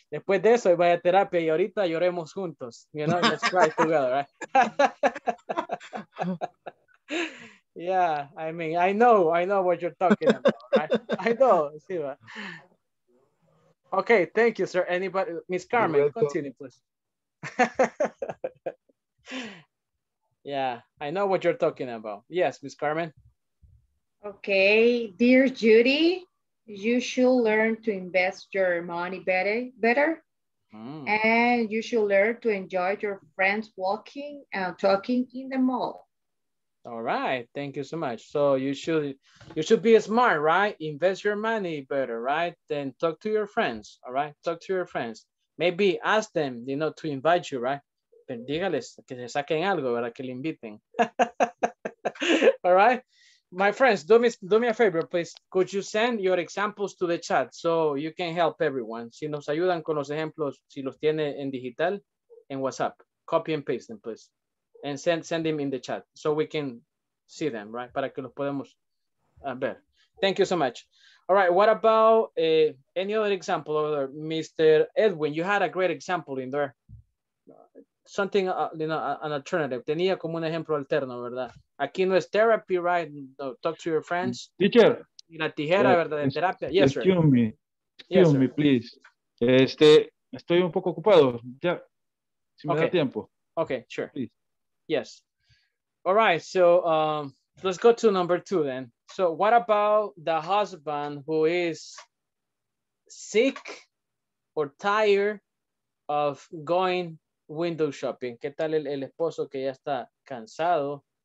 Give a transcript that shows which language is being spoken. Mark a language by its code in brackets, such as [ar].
[es] Después de eso, vaya a terapia y ahorita lloremos juntos. [en] You know, let's cry together, right? Yeah, I mean, I know what you're talking about, right? I know. Okay, thank you, sir. Anybody, Miss Carmen, continue, please. Yeah, I know what you're talking about. Yes, Miss Carmen. Okay, dear Judy, you should learn to invest your money better. Mm. And you should learn to enjoy your friends walking and talking in the mall. All right, thank you so much. So you should be smart, right? Invest your money better, right? Then talk to your friends, all right? Talk to your friends. Maybe ask them, you know, to invite you, right? [es] Pero dígales que se saquen algo, ¿verdad? Que le inviten. [en] All right? My friends, do me a favor, please. Could you send your examples to the chat so you can help everyone? [es] Si nos ayudan con los ejemplos, si los tiene en digital, en WhatsApp. [en] Copy and paste them, please. And send him in the chat so we can see them, right? [es] Para que los podemos ver. [en] Thank you so much. All right, what about any other example over there? Mr. Edwin, you had a great example in there. Something, you know, an alternative. [es] Tenía como un ejemplo alterno, ¿verdad? Aquí no es [en] therapy, right? No, talk to your friends. Teacher. [es] Y la tijera, ¿verdad? En terapia. [en] Yes, sir. Excuse me, please. [es] Estoy un poco ocupado. Ya, si me da tiempo. [en] Okay, sure. Please. Yes. All right. So let's go to number two then. So what about the husband who is sick or tired of going window shopping? [es] ¿Qué tal el esposo que ya está cansado?